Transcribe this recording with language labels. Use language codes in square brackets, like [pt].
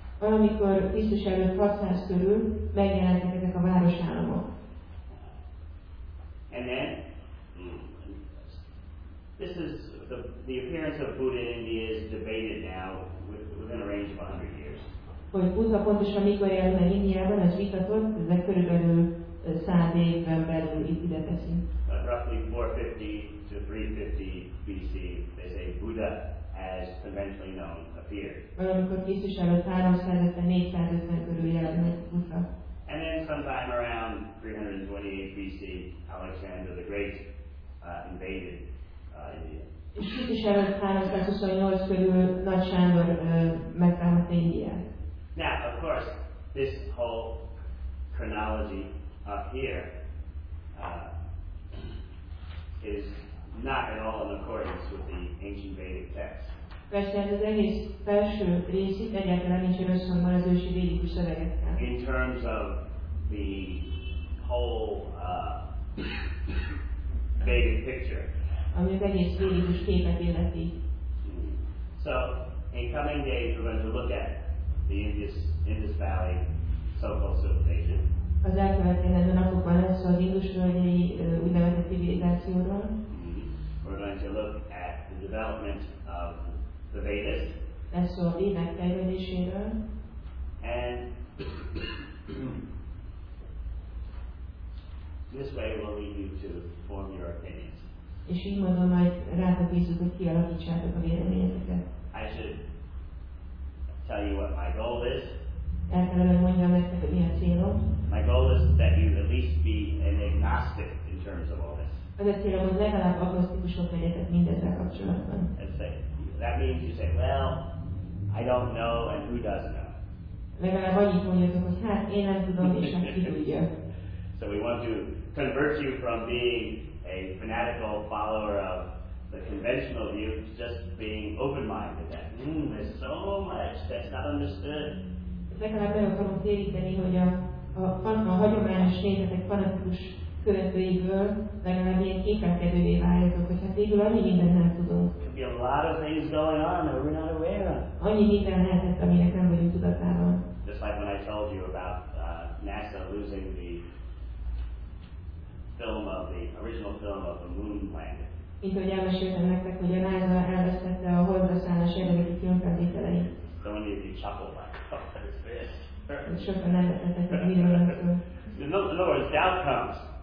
[hu] Valamikor Krisztus előtt 600 körül megjelentek ezek a városállamok. [en] And then, this is the appearance of Buddha in India is debated now within a range of 100 years. [hu] Hogy Buddha pontosan mikor jelent meg Indiában, ez vitatott, de körülbelül 100 évben belül itt ide teszi. [en] But roughly 450 to 350 BC, they say Buddha, as conventionally known, appeared. [hu] Valamikor Krisztus előtt 350-450 körül jelent meg Buddha. [en] And then sometime around 328 BC, Alexander the Great invaded India. [hu] És Krisztus előtt 328 körül Nagy Sándor megtámadta Indiát. [en] Now, of course, this whole chronology up here is not at all in accordance with the ancient Vedic text. [hu] Persze, ez az egész felső rész itt egyáltalán nincs összhangban az ősi védikus szövegekkel. [en] In terms of the whole Vedic picture, [hu] ami az egész védikus képet illeti. [en] So, in coming days we're going to look at the Indus Valley so-called civilization. [hu] Az elkövetkező napokban lesz az Indus-völgyi úgynevezett civilizációról. [en] We're going to look at the development of the Vedas. [hu] Lesz szó a Védák fejlődéséről. [en] And this way we'll lead you to form your opinions. [hu] És így mondom, majd rátok bízok, hogy kialakítsátok a véleményeteket. [en] I should tell you what my goal is. [hu] El kellene mondjam nektek, hogy mi a célom. [en] My goal is that you at least be an agnostic in terms of all this. [hu] Az a célom, hogy legalább agnosztikusok legyetek mindezzel kapcsolatban. [en] That means you say, well, I don't know, and who does know? [hu] Legalább annyit mondja, hogy hát én nem tudom, és hát ki tudja. [en] So we want to convert you from being a fanatical follower of the conventional view to just being open-minded. That there's so much that's not understood. [hu] Legalább el akarom téríteni, hogy a hagyományos nézetek fanatikus követőiből legalább ilyen kékenkedővé váljatok, hogy hát végül annyi mindent nem tudunk. [en] There'll be a lot of things going on that we're not aware of. [hu] Annyi minden lehetett, aminek nem vagyunk tudatában. [en] Just like when I told you about NASA losing the film of the original film of the moon landing. [hu] Mint ahogy elmeséltem nektek, hogy a NASA elvesztette a holdra szállás eredeti filmfelvételeit. [en] So many of you chuckled like, oh, what is this? In other words, doubt comes.